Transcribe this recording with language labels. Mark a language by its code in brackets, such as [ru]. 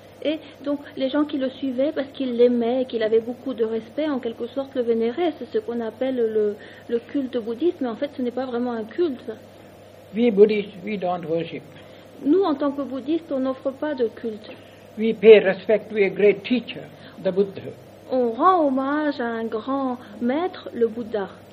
[fr] Et donc les gens qui le suivaient parce qu'ils l'aimaient et qu'il avait beaucoup de respect, en quelque sorte le vénéraient. C'est ce qu'on appelle le culte bouddhiste, mais en fait ce n'est pas vraiment un culte. [en] We Buddhists, we don't worship. [fr] Nous, en tant que bouddhistes, on n'offre pas de culte. [en] We pay respect to a great teacher, the Buddha. [fr] On rend hommage à un grand maître, le Bouddha.